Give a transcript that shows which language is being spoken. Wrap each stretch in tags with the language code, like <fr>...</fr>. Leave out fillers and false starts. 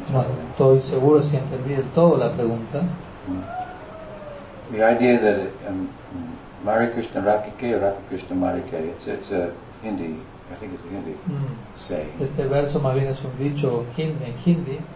<es>No, estoy seguro si entendí del todo la pregunta.</es> <en>The idea that Mari Krishna Rakike, Rakike Krishna Marike, it's a Hindi, I think it's a Hindi saying.</en> <es>Este verso más bien es un dicho en Hindi.</es>